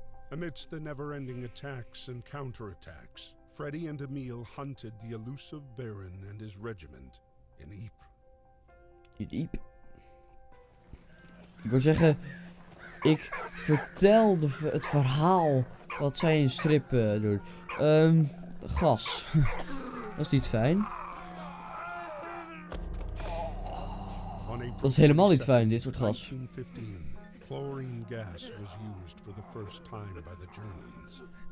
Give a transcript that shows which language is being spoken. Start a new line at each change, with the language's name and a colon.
English: Amidst the never-ending attacks and counterattacks, Freddy and Emil hunted the elusive Baron and his regiment in Ypres. In Ypres?
Dutch: Ik wil zeggen, ik vertel het verhaal wat zij in strip doet. Gas. Dat is niet fijn. Dat is helemaal niet fijn, dit soort gas.
English: Chlorine gas was used for the first time by the Germans.